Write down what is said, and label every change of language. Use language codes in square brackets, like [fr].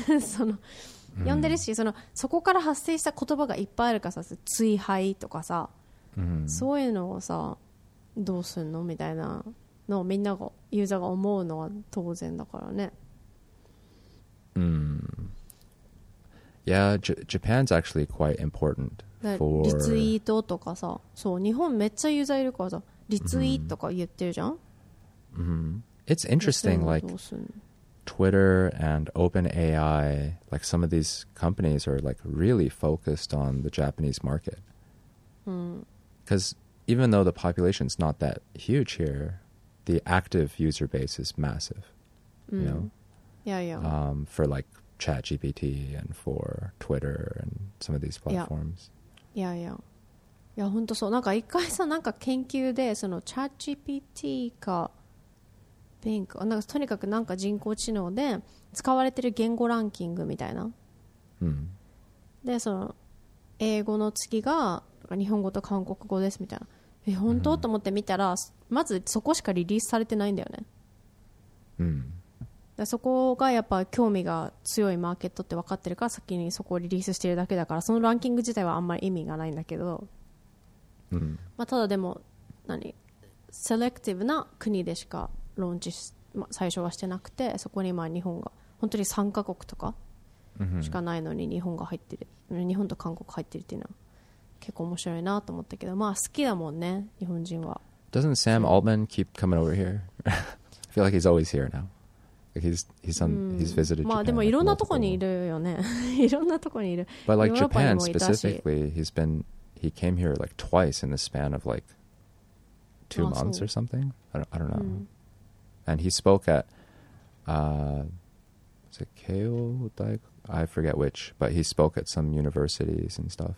[ja] その呼んでるし、そのそこから発生した言葉がいっぱいあるからさ、ツイハイとかさ、そういうのをさどうすんのみたいなのをみんながユーザーが思うのは当然だからね。 [en] Yeah, Japan's actually quite important for [ja] リツイートとかさ、そう日本めっちゃユーザーいるからさ、リツイートとか言ってるじゃん。 [en] It's interesting, like Twitter and OpenAI, like some of these companies are like really focused on the Japanese market. Because even though the population is not that huge here, the active user base is massive. You know, for like. ChatGPT and for Twitter and some of these platforms. Yeah, yeah. Yeah, [ja] 本当そう。なんか一回さ、なんか研究でその ChatGPT か Bing、なんかとにかくなんか人工知能で使われてる言語ランキングみたいな。で、その英語の次が日本語と韓国語ですみたいな。え、本当？と思って見たら、まずそこしかリリースされてないんだよね。そこがやっぱ興味が強いマーケットって分かってるから先にそこをリリースしてるだけだから、そのランキング自体はあんまり意味がないんだけど、まあただでも何セレクティブな国でしかローンチ、まあ、最初はしてなくて、そこにまあ日本が本当に3カ国とかしかないのに日本が入ってる、日本と韓国入ってるっていうのは結構面白いなと思ったけど、まあ好きだもんね日本人は。 [en] Doesn't Sam Altman keep coming over here? I feel like he's always here nowHe's visited Japan. [ja] まあでもいろんなとこにいるよね。いろんなとこにいる。 [en] But like Japan specifically, he came here like twice in the span of like two months or something. I don't know. And he spoke at, was it Keio Daiku? I forget which, but he spoke at some universities and stuff.